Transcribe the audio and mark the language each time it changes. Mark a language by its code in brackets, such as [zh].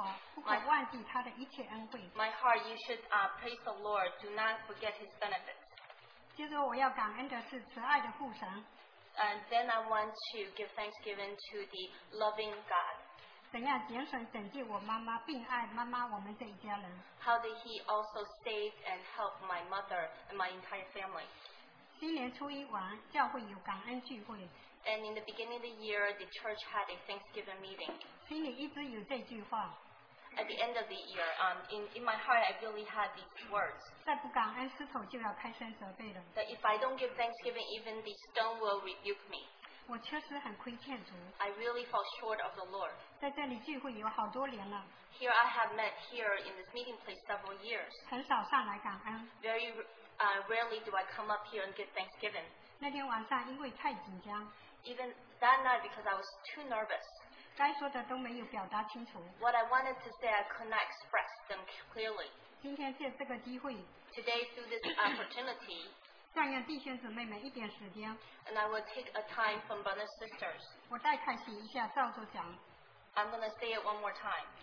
[zh] 我的心啊,你要称颂耶和华,不可忘记他的一切恩惠。 [en] My heart, you should praise the Lord. Do not forget His benefits. [zh] 接着我要感恩的是慈爱的父神。 [en] And then I want to give thanksgiving to the loving God. [zh] 怎样拣选拯救我妈妈,并爱妈妈,我们这一家人。 [en] How did He also save and help my mother and my entire family? [zh] 新年初一晚,教会有感恩聚会。 [en] And in the beginning of the year, the church had a Thanksgiving meeting. [zh] 心里一直有这句话。 [en] At the end of the year, in my heart, I really had these words. [zh] 再不感恩,狮头就要开山责备了。 [en] That if I don't give Thanksgiving, even the stone will rebuke me. [zh] 我确实很亏欠主。 [en] I really fall short of the Lord. [zh] 在这里聚会有好多年了。 [en] Here I have met here in this meeting place several years. [zh] 很少上来感恩。 [en] Very rarely do I come up here and give Thanksgiving. [zh] 那天晚上因为太紧张, [en] even that night because I was too nervous, [zh] 该说的都没有表达清楚, [en] what I wanted to say I could not express them clearly. [zh] 今天借这个机会, [en] today through this opportunity, [zh] 占用弟兄姊妹们一点时间, [en] and I will take a time from brothers and sisters. [zh] 我再看戏一下, 照着讲, [en] I'm going to say it one more time.